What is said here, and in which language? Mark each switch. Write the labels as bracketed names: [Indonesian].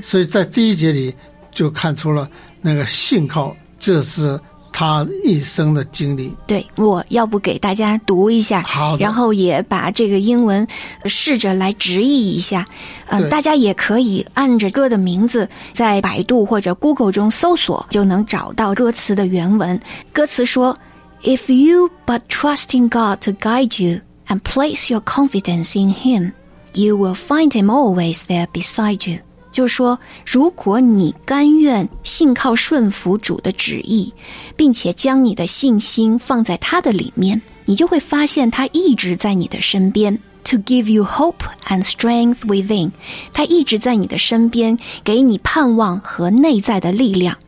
[Chinese] 所以在第一节里就看出了那个信号，这是他一生的经历。对，我要不给大家读一下，好的，然后也把这个英文试着来直译一下。大家也可以按着歌的名字在百度或者 Google 中搜索，就能找到歌词的原文。歌词说 [English] If you but trust in God to guide you and place your confidence in Him, you will find Him always there beside you。 [Chinese] 就是说，如果你甘愿信靠顺服主的旨意，并且将你的信心放在他的里面，你就会发现他一直在你的身边。 [English] To give you hope and strength within， [Chinese] 他一直在你的身边，给你盼望和内在的力量。